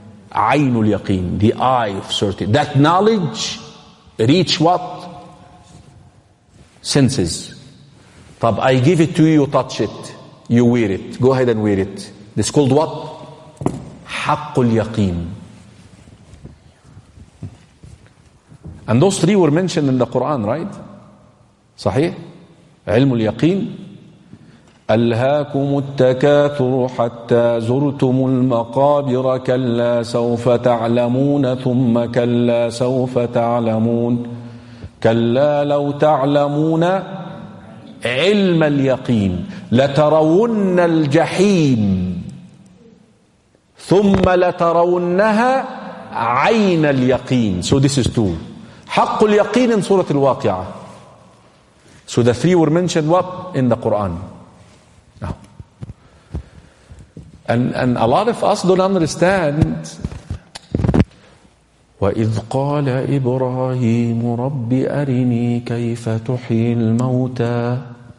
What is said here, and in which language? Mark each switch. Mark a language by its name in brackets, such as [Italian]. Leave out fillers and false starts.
[Arabic] عين اليقين, [English] the eye of certainty. That knowledge reach what? Senses. طيب, I give it to you, touch it. You wear it. Go ahead and wear it. This called what? [Arabic] حق اليقين. [English] And those three were mentioned in the Quran, right? [Arabic] صحيح؟ علم اليقين. ألهاكم التكاثر حتى زرتم المقابر كلا سوف تعلمون ثم كلا سوف تعلمون كلا لو تعلمون علم اليقين لترون الجحيم ثم لترونها عين اليقين. [English] So this is two. [Arabic] حق اليقين [English] in Surah Al-Waqi'ah. So the three were mentioned what? In the Quran. No. And a lot of us don't understand. [Arabic] وَإِذْ قَالَ إِبْرَاهِيمُ رَبِّ أَرِنِي كَيْفَ تُحْيِي الْمَوْتَى.